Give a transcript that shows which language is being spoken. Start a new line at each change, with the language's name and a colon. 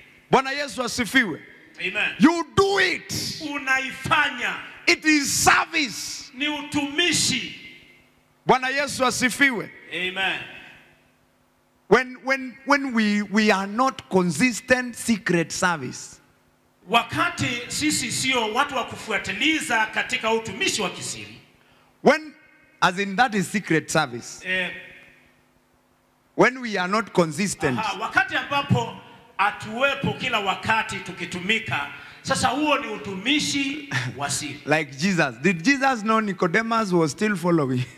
Swahili: Bwana Yesu asifiwe. Amen.
English: You do it.
Swahili: Unaifanya.
English: It is service.
Swahili: Ni utumishi. Bwana Yesu asifiwe. Amen.
English: When we are not consistent secret service.
Swahili: Wakati sisi sio watu wa kufuatiliza katika utumishi wa kisiri.
English: When, as in that is secret service. When we are not consistent.
Swahili: Aha, wakati ambapo atuwepo kila wakati tukitumika. Sasa huo ni utumishi wa siri.
English: Like Jesus. Did Jesus know Nicodemus was still following?